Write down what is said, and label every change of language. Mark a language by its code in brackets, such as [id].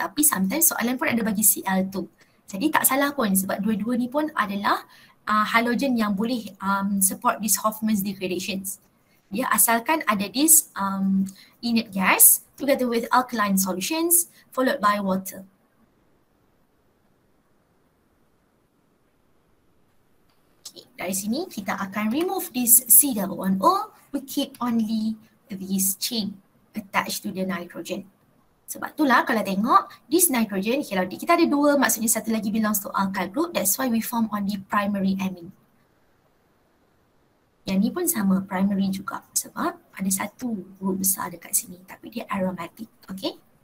[ms] Tapi sometimes soalan pun ada bagi Cl2. Jadi tak salah pun sebab dua-dua ni pun adalah halogen yang boleh [en] support this Hoffman's degradations. [ms] Dia asalkan ada [en] this inert gas together with alkaline solutions followed by water. [ms] Okay, dari sini kita akan remove this C11O. [en] We keep only this chain attached to the nitrogen. [ms] Sebab itulah kalau tengok this nitrogen, kalau kita ada dua, maksudnya satu lagi [en] belongs to alkyl group. That's why we form only primary amine. [ms] Yang ni pun sama, primary juga. Sebab ada satu group besar dekat sini tapi dia aromatic. Okay?